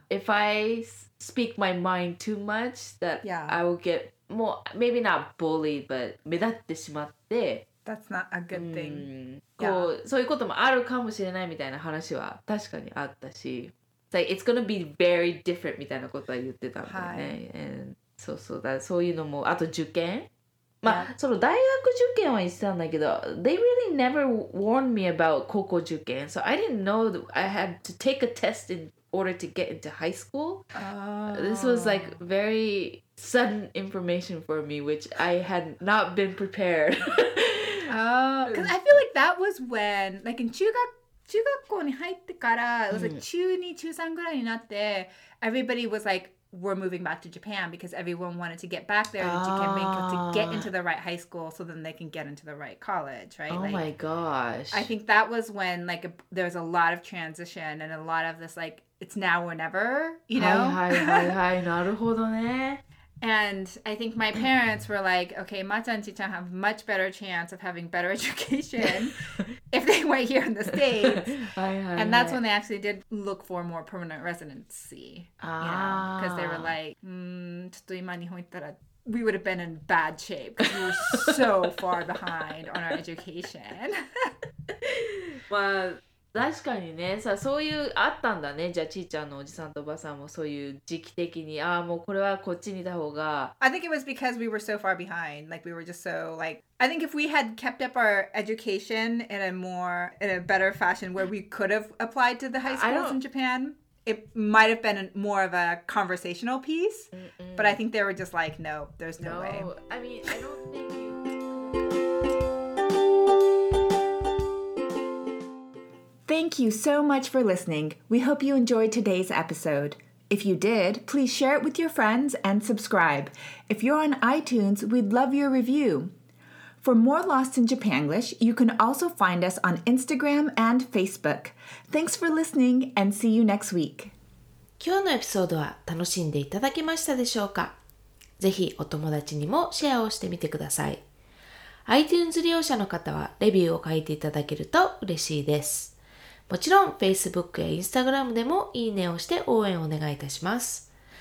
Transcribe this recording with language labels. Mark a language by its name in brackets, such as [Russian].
[English] If I speak my mind too much, that I will get more, maybe not bullied, but [Japanese] 目立ってしまって。 [English] That's not a good thing. [Japanese] そういうこともあるかもしれないみたいな話は確かにあったし。 [English] It's like, it's gonna be very different [Japanese] みたいなことは言ってたんだよね。はい。 [English] And [Japanese] そうそうだ。そういうのも、あと受験まあ、その大学受験は言ってたんだけど、 [English] they really never warned me about [Japanese] 高校受験。 [English] So I didn't know that I had to take a test in order to get into high school.、This was like very sudden information for me, which I had not been prepared. Because I feel like that was when, like in [Japanese] 中学校に入ってから、 [English] it was like [Japanese] 中2、中3ぐらいになって、 [English] everybody was like,we're moving back to Japan because everyone wanted to get back there and Jikenmenkyo to get into the right high school so then they can get into the right college, right? Oh like, my gosh. I think that was when like there was a lot of transition and a lot of this like, it's now or never, you know? はいはいはいはい、なるほどね。 And I think my parents were like, okay, Mata and Chichan have much better chance of having better education if they were here in the States. And that's when they actually did look for more permanent residency. Because they were like, we would have been in bad shape because we were so far behind on our education. [Japanese] Well, 確かにね、さ、そういうあったんだね。じゃあちーちゃんのおじさんとおばさんもそういう時期的に、ああもうこれはこっちにいた方が。 [English] I think it was because we were so far behind. Like we were just so like, I think if we had kept up our education in a more, in a better fashion where we could have applied to the high schools in Japan, it might have been more of a conversational piece. But I think they were just like, no, there's no way. I mean, I don't think. Thank you so much for listening. We hope you enjoyed today's episode. If you did, please share it with your friends and subscribe. If you're on iTunes, we'd love your review. For more Lost in Japanglish, you can also find us on Instagram and Facebook. Thanks for listening and see you next week. [Japanese] 今日のエピソードは楽しんでいただけましたでしょうか？ぜひお友達にもシェアをしてみてください。 iTunes 利用者の方はレビューを書いていただけると嬉しいです。もちろん Facebook や Instagram でもいいねをして応援をお願いいたします。